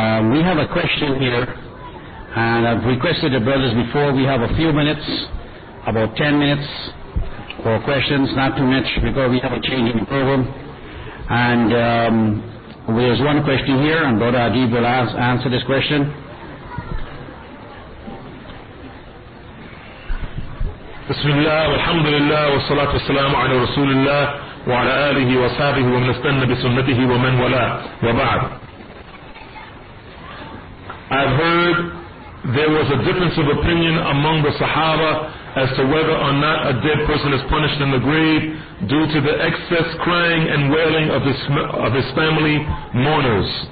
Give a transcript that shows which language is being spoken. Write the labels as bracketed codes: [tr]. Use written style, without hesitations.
[en] We have a question here, and I've requested the brothers before, we have a few minutes, about 10 minutes for questions, not too much, because we have a change in the program. And there's one question here, and Brother Adib will answer this question. [ar] بسم الله والحمد لله والصلاة والسلام على رسول الله وعلى آله وصحبه ومن استنى بسنته ومن ولا وبعد. [en] I've heard there was a difference of opinion among the Sahaba as to whether or not a dead person is punished in the grave due to the excess crying and wailing of his family mourners.